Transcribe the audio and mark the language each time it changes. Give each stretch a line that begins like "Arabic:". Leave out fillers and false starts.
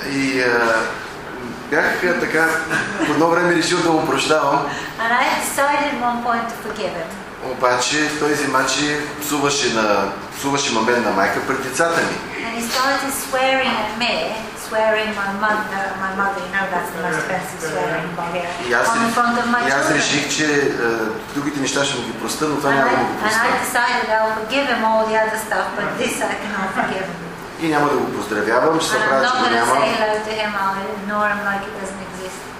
Bulgarian: И бях така по едно време решил да го прощавам.
English: And I decided at one point to forgive him.
Bulgarian: Обаче той взима, че псуваше мамен на майка пред децата ми.
English: And he started swearing at me, swearing my mother, you know that's the most offensive swearing in Bulgaria.
Bulgarian: И аз реших, че другите неща ще му ги проста, но това няма да го проста.
English: And I decided I'll forgive him all the other stuff, but this I cannot forgive him.
Bulgarian: И няма да го поздравявам, ще се правя, че го няма.
English: And I'm not going to say hello to him, I'll ignore him like it doesn't exist.